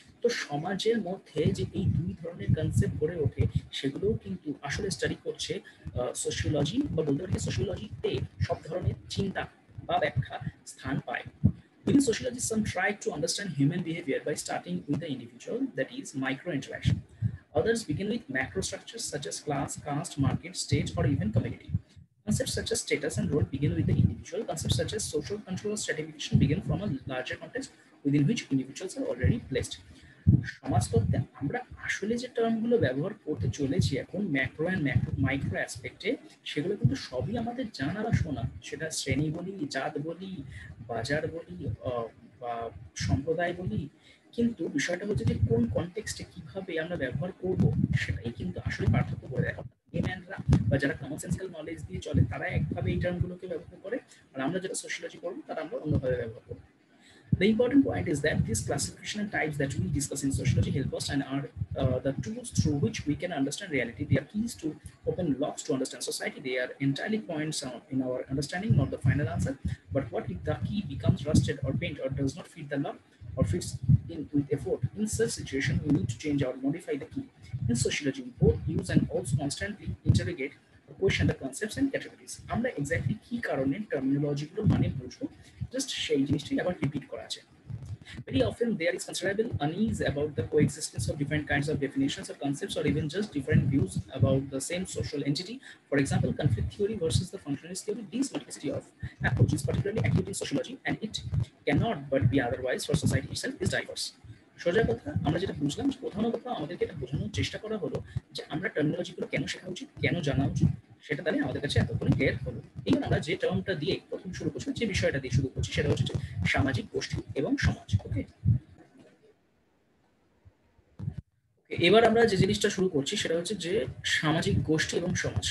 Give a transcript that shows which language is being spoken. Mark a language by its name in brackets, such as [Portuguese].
[Bangla] তো সমাজের মধ্যে যে এই দুই ধরনের কনসেপ্ট গড়ে ওঠে সেগুলোও কিন্তু আসলে স্টাডি করছে সোশিওলজি, বা বলতে পারি সোশিওলজিতে সব ধরনের চিন্তা বা ব্যাখ্যা স্থান পায়। [English] In sociology some try to understand human behaviour by starting with the individual, that is micro interaction. Others begin with macro structure such as class, caste, market, state, or even community. Concepts such as status and role begin with the individual. Concepts such as social control or stratification begin from a larger context within which individuals are already placed. [Bangla] সমাজতত্ত্বে আমরা আসলে যে টার্মগুলো ব্যবহার করতে চলেছি এখন macro and micro অ্যাসপেক্টে, সেগুলো কিন্তু সবই আমাদের জানা বা শোনা, সেটা শ্রেণী বলি, জাত বলি, বাজার বলি, বা সম্প্রদায় বলি। কিন্তু বিষয়টা হচ্ছে যে কোন কনটেক্সটে কীভাবে আমরা ব্যবহার করবো সেটাই কিন্তু আসলে পার্থক্য করে দেখা। বা যারা কমন সেন্সিক্যাল নলেজ দিয়ে চলে তারা একভাবে এই টার্মগুলোকে ব্যবহার করে, আর আমরা যারা সোশিওলজি করব তারা আমরা অন্যভাবে ব্যবহার করব। [English] The important point is that this classification and types that we discuss in sociology help us and are the tools through which we can understand reality. They are keys to open locks to understand society. They are entirely points in our understanding, not the final answer. But what if the key becomes rusted or bent or does not fit the lock or fits in with effort? In such situation, we need to change or modify the key. In sociology, we both use and also constantly interrogate the question, the concepts and categories. [Bangla] আমরা exactly কি কারণে terminology গুলো মানে বুঝবো just সেই জিনিসটি আবার repeat করা আছে। [English] Very often there is considerable unease about the coexistence of different kinds of definitions or concepts or even just different views about the same social entity. For example, conflict theory versus the functionalist theory. These multiplicity of approaches particularly acute in sociology and it cannot but be otherwise for society itself is diverse. [Bangla] সোজা কথা আমরা যেটা বুঝলাম, প্রথম কথা আমাদেরকে এটা বোঝানোর চেষ্টা করা হলো যে আমরা টার্মিনোলজিগুলো কেন শেখা উচিত, কেন জানা উচিত, সেটা তাহলে আমাদের কাছে এতক্ষণে ক্লিয়ার হলো। এইভাবে আমরা যে টার্মটা দিয়ে প্রথম শুরু করছি, যে বিষয়টা দিয়ে শুরু করছি, সেটা হচ্ছে সামাজিক গোষ্ঠী এবং সমাজ। ওকে, এবার আমরা যে জিনিসটা শুরু করছি সেটা হচ্ছে যে সামাজিক গোষ্ঠী এবং সমাজ।